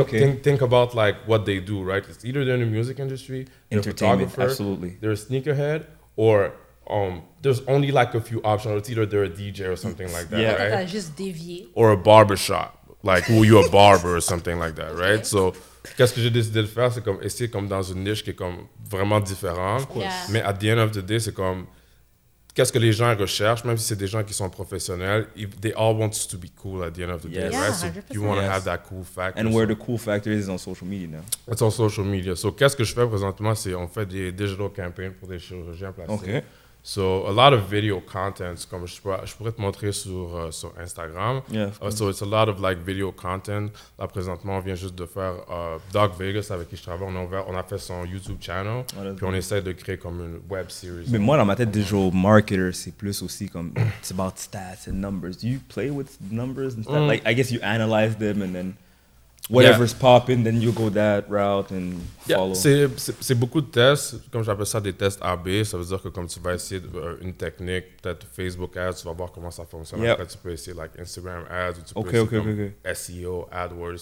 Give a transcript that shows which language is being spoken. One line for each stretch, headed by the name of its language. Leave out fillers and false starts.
English: Okay. Think about like what they do, right? It's either they're in the music industry, they're a photographer, absolutely, they're a sneakerhead, or there's only like a few options. It's either they're a DJ or something like that, right? Yeah, just dévié. Or a barbershop. Like, who you a barber or something like that, right?
French: Okay. So, qu'est-ce que j'ai décidé de faire, c'est comme essayer comme dans une niche qui est comme vraiment différente.
English: Of course.
French: Mais
English: at the end of the day,
French: c'est comme qu'est-ce que les gens recherchent, même si c'est des gens qui sont professionnels,
English: they all want to be cool at the end of the day, right? So you want to have that cool factor. And where the cool factor is on social media now. It's on social media.
French: So qu'est-ce que je fais présentement, c'est on fait des digital campaigns pour des chirurgiens plastiques.
English: Okay. So a lot of video content,
French: comme je pourrais te montrer sur Instagram.
English: Yeah, so it's a lot of like video content.
French: Là, présentement, on vient juste de faire Doc Vegas avec qui je travaille. On a fait son YouTube channel. Oh, puis on essaie de créer comme une web series. Mais moi, dans ma tête, digital marketer, c'est plus aussi comme
English: it's about stats and numbers. Do you play with numbers and stuff? Like, I guess you analyze them and then whatever's popping, then you go that route and follow.
French: Yeah, c'est beaucoup de tests, comme j'appelle ça des tests AB. Ça veut dire que comme tu vas essayer une technique, peut-être Facebook ads, tu vas voir comment ça fonctionne.
English: Yep.
French: Après, tu peux essayer like Instagram ads, ou tu peux essayer SEO, AdWords,